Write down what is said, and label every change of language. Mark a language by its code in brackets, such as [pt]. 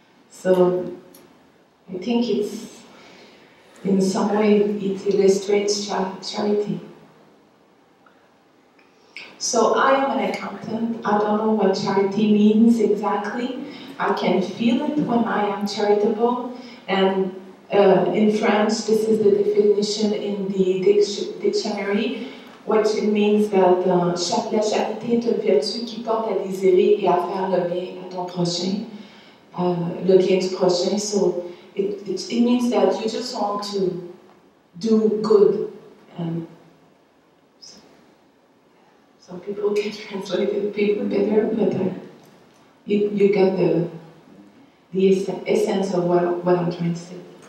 [en] So I think it's, in some way, it illustrates charity. So I am an accountant. I don't know what charity means exactly. I can feel it when I am charitable. And in French, this is the definition in the dictionary, which it means that [fr] la charité est une vertu qui porte à désirer et à faire le bien à ton prochain, le bien du prochain. [en] So, It means that you just want to do good. And some people can translate it better, but you get the essence of what I'm trying to say.